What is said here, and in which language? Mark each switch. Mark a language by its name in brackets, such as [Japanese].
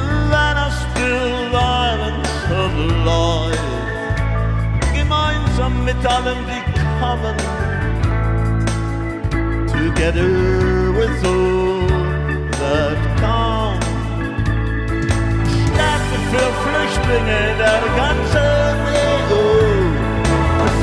[English] Let us build islands of life. [German] Gemeinsam mit allen, die kommen. [English] Together with all that come. [German] Städte für Flüchtlinge der ganzen EU.